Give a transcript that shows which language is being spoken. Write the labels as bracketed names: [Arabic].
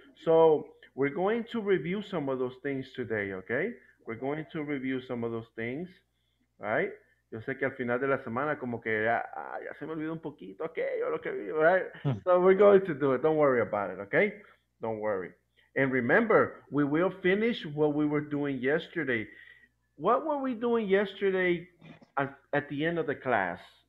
[English] So we're going to review some of those things today, okay? We're going to review some of those things, right? [Spanish] Yo sé que al final de la semana como que ya se me olvidó un poquito aquello, lo que vi, right? [English] So we're going to do it. Don't worry about it, okay? Don't worry. And remember, we will finish what we were doing yesterday. What were we doing yesterday at the end of the class?